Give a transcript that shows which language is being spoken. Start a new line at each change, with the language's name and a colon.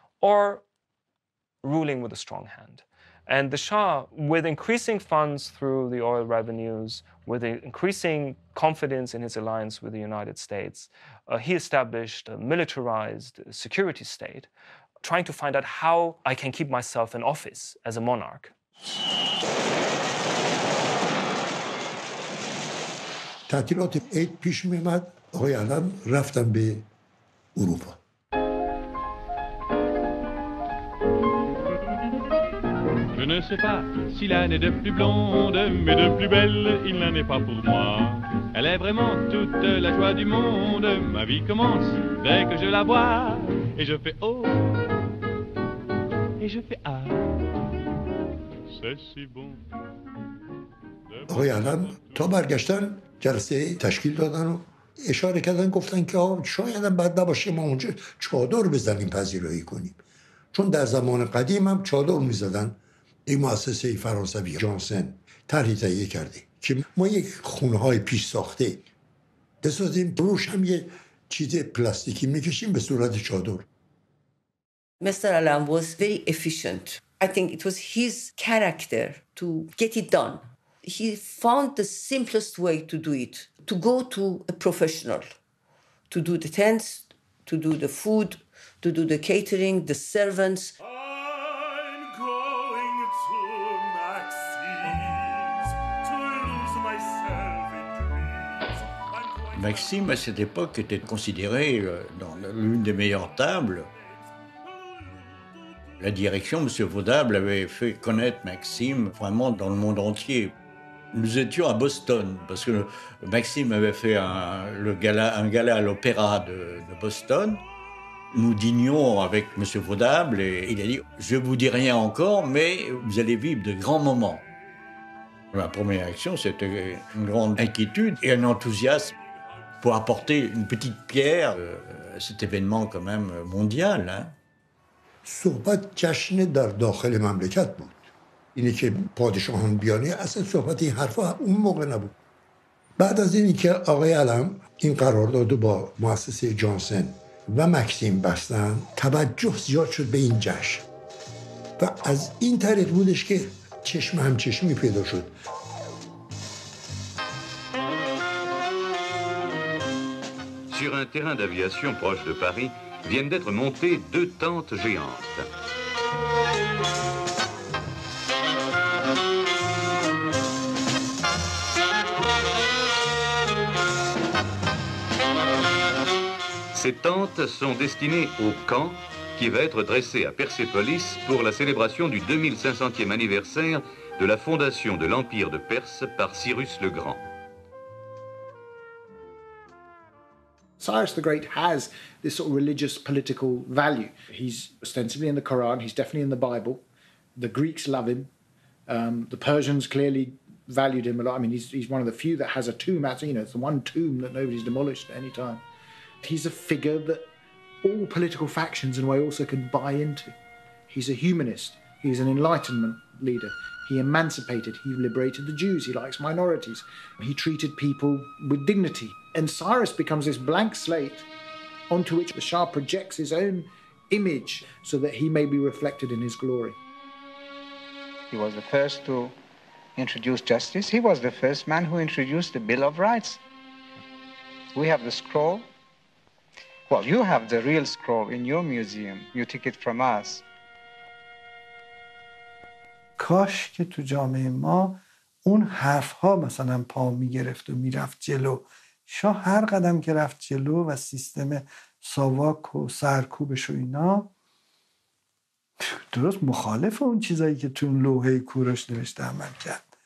English: Or ruling with a strong hand. And the Shah, with increasing funds through the oil revenues, with increasing confidence in his alliance with the United States, he established a militarized security state, trying to find out how I can keep myself in office as a monarch.
Persian: تعطیلات عید پیش می آمد آقای علم رفتم به اروپا.
French: Je ne sais pas si l'année de plus blonde mais de plus belle il n'en est pas pour moi. Elle est vraiment toute la joie du monde, ma vie commence dès que je la vois et je fais oh et je fais ah. C'est si bon.
Persian: آقای علم تا برگشتن جلسه تشکیل دادن و اشاره کردن، گفتن که شاید هم بد نباشه ما اونجا چادر بزنیم پذیرایی کنیم، چون در زمان قدیم هم چادر میزدن. این مؤسسه فرانسوی جانسن طرحی تهیه کرده که ما یک خونه های پیش ساخته بسازیم، روش هم یه چیز پلاستیکی میکشیم به صورت چادر.
English: Mr. Alam was very efficient. I think it was his character to get it done. He found the simplest way to do it, to go to a professional, to do the tents, to do the food, to do the catering, the servants. I'm going to Maxime's, to lose myself in dreams.
French: Maxime, à cette époque, était considéré dans l'une des meilleures tables. La direction, M. Vaudable, avait fait connaître Maxime vraiment dans le monde entier. Nous étions à Boston parce que Maxime avait fait un gala à l'opéra de Boston. Nous dînions avec M. Vaudable et il a dit « Je ne vous dis rien encore, mais vous allez vivre de grands moments. » Ma première action, c'était une grande inquiétude et un enthousiasme pour apporter une petite pierre à cet événement quand même mondial.
Persian: Sohbat chashne dar dakhel mamlekat bou. اینی که پادشاهان بیانی اصلا صحبت این حرفا اون موقع نبود. بعد از اینی که آقای علم این قرارداد رو با مؤسسه جانسن و مکسیم بستن، توجه زیاد شد به این جشن و از این طریق بودش که چشم هم چشمی پیدا شد.
French: Sur un terrain d'aviation proche de Paris viennent d'être montées deux tentes géantes. Ces tentes sont destinées au camp qui va être dressé à Persépolis pour la célébration du 2500e anniversaire de la fondation de l'Empire de Perse par Cyrus le Grand.
English: Cyrus the Great has this sort of religious political value. He's ostensibly in the Quran, he's definitely in the Bible. The Greeks love him. The Persians clearly valued him a lot. I mean, he's one of the few that has a tomb outside. You know, it's the one tomb that nobody's demolished at any time. He's a figure that all political factions in a way also can buy into. He's a humanist. He's an Enlightenment leader. He emancipated, he liberated the Jews, he likes minorities. He treated people with dignity. And Cyrus becomes this blank slate onto which the Shah projects his own image so that he may be reflected in his glory. He was the first to introduce justice. He was the first man who introduced the Bill of Rights. We have the scroll. Well, you have the real scroll in your museum. You took it from us.
Persian: کاش که تو جامعه ما اون حرف ها مثلا پا می گرفت و می رفت جلو. شاه هر قدم که رفت جلو و سیستم ساواک و سرکوبش و اینا درست مخالف اون چیزایی که تو اون لوحه کوروش نوشته عمل کرد.